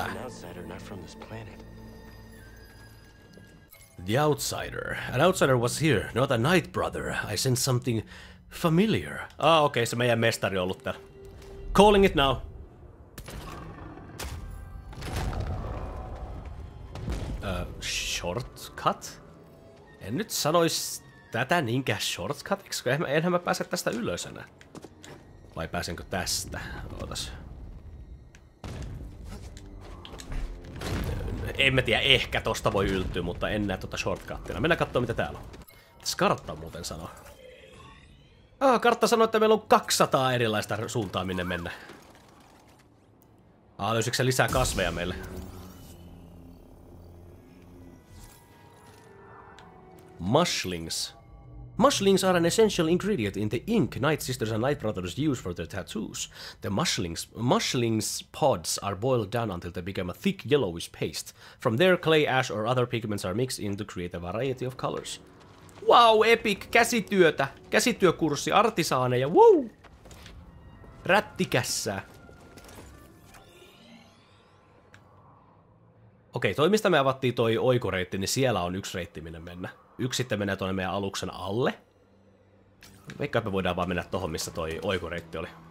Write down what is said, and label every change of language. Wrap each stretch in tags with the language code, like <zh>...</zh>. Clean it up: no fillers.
<en>An outsider, not from this planet. The outsider. An outsider was here, not a night brother. I sense something familiar.</en> <fi>Ah, okei, se meidän mestari on ollut täällä.</fi> <en>Calling it now.</en> <fi>Shortcut? En nyt sanois tätä niinkään shortcut, koska enhän mä pääse tästä ylös enää. Vai pääsenkö tästä? Ootas. En mä tiedä, ehkä tosta voi yltyä, mutta en näe tota shortcuttina. Mennään katsoa, mitä täällä on. Tässä kartta muuten sanoo. Ah, kartta sanoo, että meillä on 200 erilaista suuntaa, minne mennä. Ah, löysikö se lisää kasveja meille?</fi> <en>Mushlings. Mushlings are an essential ingredient in the ink Night Sisters and Night Brothers use for their tattoos. The mushlings pods are boiled down until they become a thick yellowish paste. From there, clay, ash, or other pigments are mixed in to create a variety of colors.</en> <fi>Wow, epic, käsityötä, käsityökurssi, artisaaneja, wow! Rättikässä. Okei, toi mistä me avattiin toi oikoreitti, niin siellä on yksi reitti, minne mennä. Yksi sitten menee tuonne meidän aluksen alle. Veikkaan me voidaan vaan mennä tohon, missä toi oikoreitti oli.</fi>